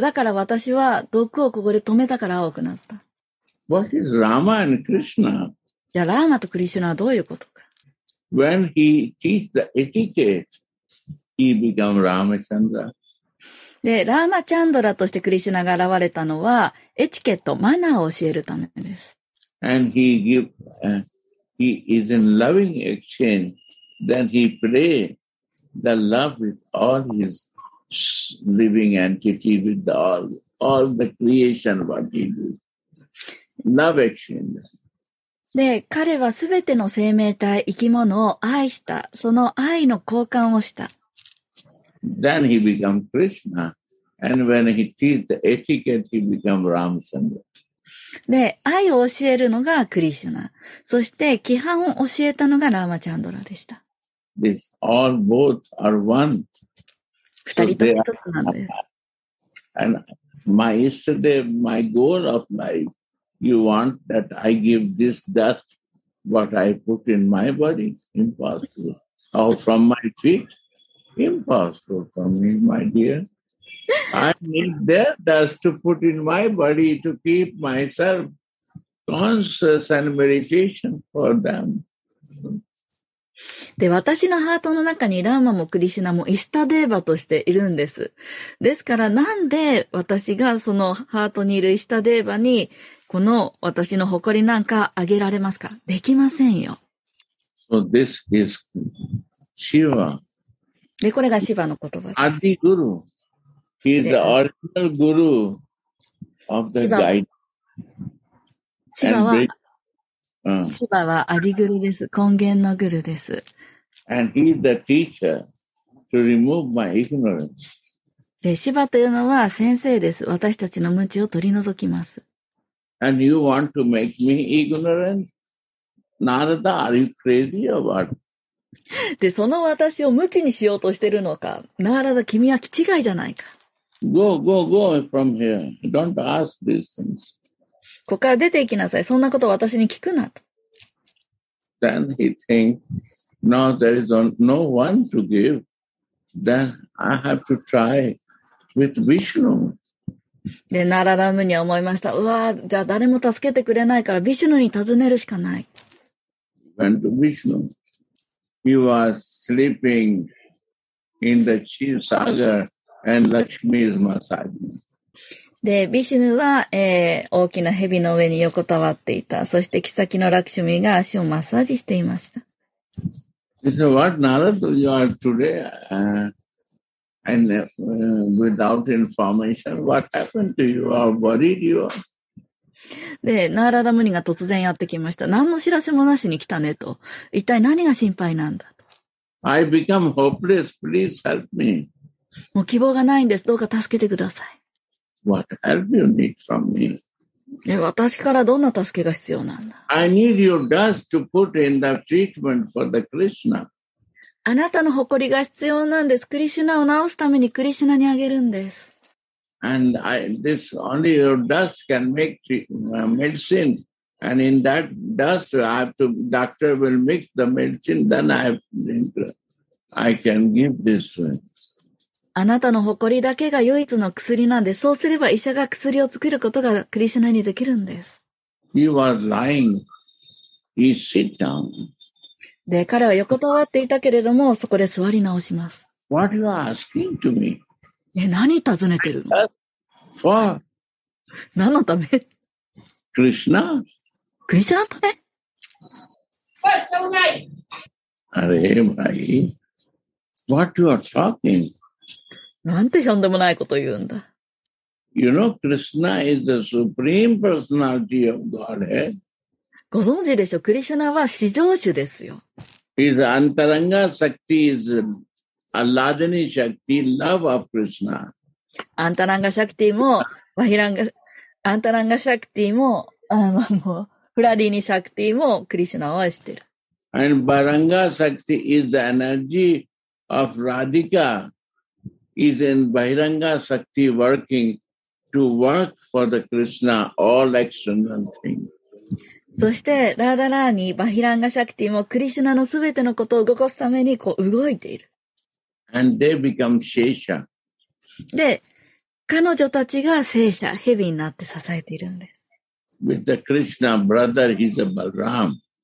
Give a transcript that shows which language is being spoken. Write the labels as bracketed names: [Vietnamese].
[Japanese] だから私は毒をここで止めたから青くなった。 [English] What is Rama and Krishna? [Japanese] じゃあ、ラーマとクリシュナはどういうことか。 [English] When he teach the etiquette, he become Ramachandra. [Japanese] で、ラーマチャンドラとしてクリシュナが現れたのは、エチケット、マナーを教えるためです。 [English] And he give, he is in loving exchange. Then he pray the love with all his living entity, with all the creation what he do. Love exchange. [Japanese] で、彼はすべての生命体、生き物を愛した。その愛の交換をした。 [English] Then he become Krishna, and when he teach the etiquette, he become Ramachandra. [Japanese] で、愛を教えるのがクリシュナ、そして規範を教えたのがラーマチャンドラでした。 [English] This all both are one. [Japanese] 二人とも一つなんです。 [English] And my yesterday, my goal of life, you want that I give this dust, what I put in my body, impossible, or from my feet. Impossible for me, my dear. I need their dust to put in my body to keep myself conscious and meditation for them. [Japanese] で、私のハートの中にラーマもクリシュナもイシュタデーバとしているんです。ですから、なんで私がそのハートにいるイシュタデーバにこの私の誇りなんかあげられますか？できませんよ。 [English] So this is Shiva. [Japanese] で、これがシヴァの言葉です。アディグルー。 [English] He is the original guru of the guide. [Japanese] シヴァはアディグルーです。根源のグルーです。 [English] And he is the teacher to remove my ignorance. [Japanese] で、シヴァというのは先生です。私たちの無知を取り除きます。 [English] And you want to make me ignorant? Narada, are you crazy or what? [Japanese] で、その私を無知にしようとしてるのか、ナーラダ、君は気違いじゃないか。 [English] Go, go, go from here. Don't ask these things. [Japanese] ここから出て行きなさい。そんなことを私に聞くなと。 [English] Then he thinks, now there is no one to give. Then I have to try with Vishnu. [Japanese] で、ナーラダムニは思いました。うわぁ、じゃあ誰も助けてくれないから、ビシュヌに尋ねるしかない。 [English] Went to Vishnu. He was sleeping in the chief sagar and Lakshmi is massaging. [Japanese] で、ビシュヌは、大きな蛇の上に横たわっていた。そして、キサキのラクシュミが足をマッサージしていました。 [English] He said, what Narada you are today? Without information, what happened to you? How worried you are? [Japanese] で、ナーラダムニが突然やってきました。何の知らせもなしに来たねと。一体何が心配なんだと。 [English] I become hopeless. Please help me. [Japanese] もう希望がないんです。どうか助けてください。 [English] What help you need from me? [Japanese] 私からどんな助けが必要なんだ [English] ?I need your dust to put in the treatment for the Krishna. [Japanese] あなたの誇りが必要なんです。クリシュナを治すためにクリシュナにあげるんです。 [English] And this only your dust can make medicine. And in that dust, doctor will mix the medicine. Then I can give this. [Japanese] あなたの誇りだけが唯一の薬なんで、そうすれば医者が薬を作ることがクリシュナにできるんです。 [English] He was lying. He sit down. [Japanese] で、彼は横たわっていたけれども、そこで座り直します。 [English] What you are asking to me? [Japanese] え、何尋ねてるの？ [English] For? [Japanese] 何のため？ [English] Krishna? [Japanese] クリシュナのため？ [English] Are you my? What you are talking? [Japanese] なんてとんでもないこと言うんだ。 [English] You know Krishna is the supreme personality of Godhead. [Japanese] ご存知でしょ、クリシュナは至上主ですよ。 [English] His antaranga shakti isアラダニシャクティ、ラブ・オブ・クリシュナ。 [Japanese] アンタランガ・シャクティも、ワヒランガ、アンタランガ・シャクティも、フラディニ・シャクティも、クリシュナを愛してる。 [English] And バランガ・シャクティ is the energy of Radhika, is in バヒランガ・シャクティ working to work for the Krishna, all external things. [Japanese] そしてラーダラーニバヒランガシャクティもクリシュナのすべてのことを動かすためにこう動いている。 [English] And they become Shesha. [Japanese] で、彼女たちがセーシャ、ヘビになって支えているんです。 [English] With the Krishna brother, he's a Balram.